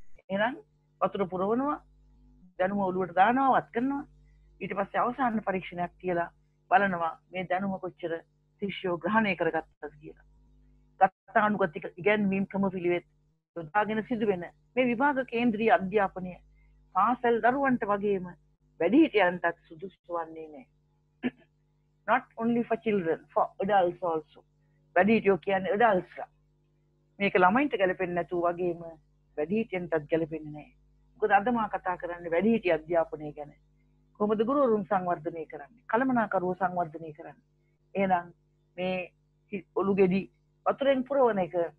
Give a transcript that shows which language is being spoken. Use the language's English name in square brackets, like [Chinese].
[Sinhala] එහෙනම් වතුර පුරවනවා, දැනුම ඔළුවට දානවා, වත් කරනවා, ඊට පස්සේ අවසාන පරීක්ෂණයක් කියලා බලනවා මේ දැනුම කොච්චර ශිෂ්‍යෝ ග්‍රහණය කරගත්තද කියලා. ගතානුගතික ඉගැන්වීම් ක්‍රම පිළිවෙත් යොදාගෙන සිදුවෙන මේ විභාග කේන්ද්‍රීය අධ්‍යාපනය පාසල් දරුවන්ට වගේම වැඩිහිටියන්ටත් සුදුසු වන්නේ නැහැ. [English] Not only for children, for adults also. [Sinhala] වැඩිහිටියෝ කියන්නේ adults. මේක ළමයින්ට ගැලපෙන්නේ නැතු වගේම වැඩිහිටියන්ටත් ගැලපෙන්නේ නැහැ. මොකද අද මා කතා කරන්නේ වැඩිහිටිය අධ්‍යාපනය ගැන. කොහොමද ගුරුවරුන් සංවර්ධනය කරන්නේ? කළමනාකරුවෝ සංවර්ධනය කරන්නේ? එහෙනම් මේ ඔළුගෙඩි වතුරෙන් පුරවන එක